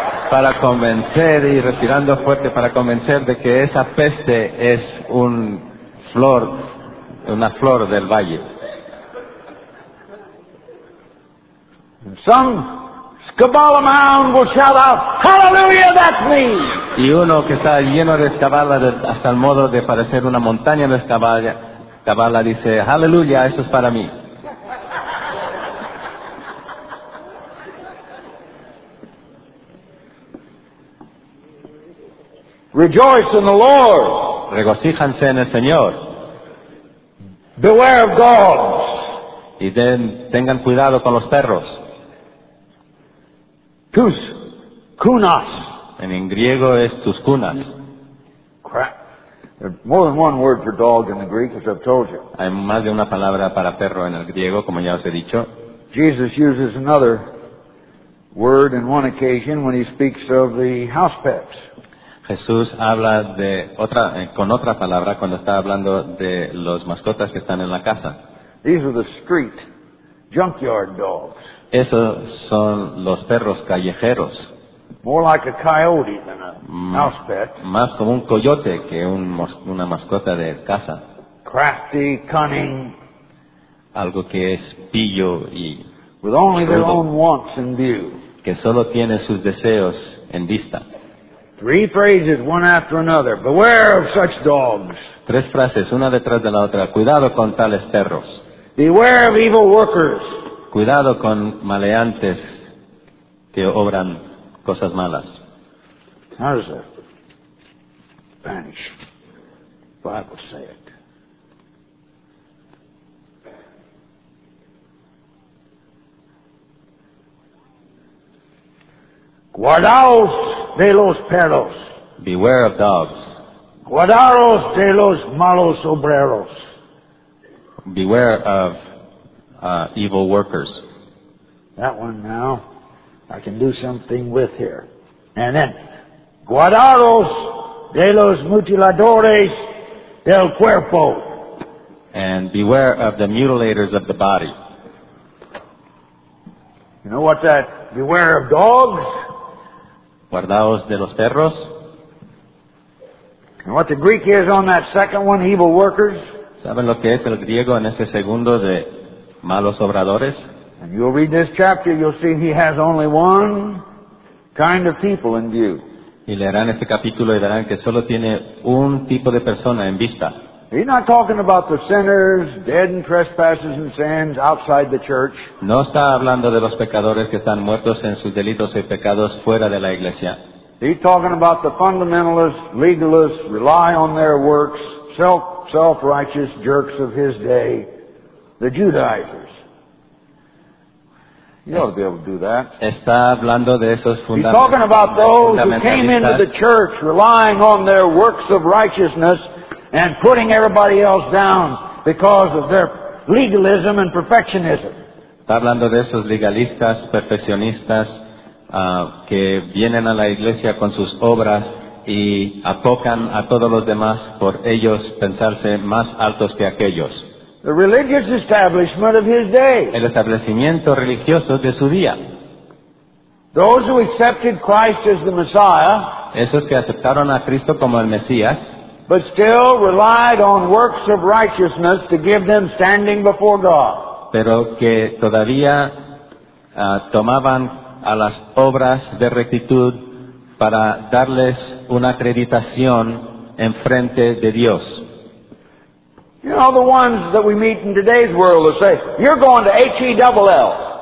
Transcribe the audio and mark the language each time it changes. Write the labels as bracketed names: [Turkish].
[Spanish] Para convencer y respirando fuerte para convencer de que esa peste es una flor del valle. [English] And some Kabbalah mound will shout out, "Hallelujah, that's me!" [Spanish] Y uno que está lleno de Kabbalah hasta el modo de parecer una montaña de Kabbalah dice, "Hallelujah, eso es para mí." [English] Rejoice in the Lord. [Spanish] Regocíjanse en el Señor. [English] Beware of dogs. [Spanish] Y tengan cuidado con los perros. [Greek] Tus kunas. [Spanish] En griego es [Greek] tus kunas. [English] Crap. There's more than one word for dog in the Greek, as I've told you. [Spanish] Hay más de una palabra para perro en el griego, como ya os he dicho. [English] Jesus uses another word in one occasion when he speaks of the house pets. [Spanish] Jesús habla de otra con otra palabra cuando está hablando de los mascotas que están en la casa. [English] These are the street junkyard dogs. [Spanish] Esos son los perros callejeros. [English] More like a coyote than a house pet. [Spanish] Más como un coyote que una mascota de casa. [English] Crafty, cunning. [Spanish] Algo que es pillo y [English] with only their own wants in view. [Spanish] Que solo tiene sus deseos en vista. [English] Three phrases, one after another. Beware of such dogs. [Spanish] Tres frases, una detrás de la otra. Cuidado con tales perros. [English] Beware of evil workers. [Spanish] Cuidado con maleantes que obran cosas malas. [English] How does the Spanish Bible say it? [Spanish] Guardaos de los perros. [English] Beware of dogs. [Spanish] Guardaos de los malos obreros. [English] Beware of evil workers. That one now I can do something with here. And then, [Spanish] guardados de los mutiladores del cuerpo. [English] And beware of the mutilators of the body. You know what that, beware of dogs? [Spanish] Guardaos de los perros. [English] And what the Greek is on that second one, evil workers? [Spanish] ¿Saben lo que es el griego en ese segundo de malos obradores? [English] And you'll read this chapter, you'll see he has only one kind of people in view. [Spanish] Y leerán este capítulo y verán que solo tiene un tipo de persona en vista. [English] He's not talking about the sinners, dead in trespasses and sins, outside the church. [Spanish] No está hablando de los pecadores que están muertos en sus delitos y pecados fuera de la iglesia. [English] He's talking about the fundamentalists, legalists, rely on their works, self-righteous jerks of his day, the Judaizers. You ought to be able to do that. [Spanish] Está hablando de esos fundamentalistas. [English] He's talking about those who came into the church relying on their works of righteousness and putting everybody else down because of their legalism and perfectionism. [Spanish] Está hablando de esos legalistas, perfeccionistas, que vienen a la iglesia con sus obras y apocan a todos los demás por ellos pensarse más altos que aquellos. [English] The religious establishment of his day. [Spanish] El establecimiento religioso de su día. [English] Those who accepted Christ as the Messiah. [Spanish] Esos que aceptaron a Cristo como el Mesías. [English] But still relied on works of righteousness to give them standing before God. [Spanish] Pero que todavía tomaban a las obras de rectitud para darles una acreditación en frente de Dios. [English] You know the ones that we meet in today's world will say, "You're going to HELL."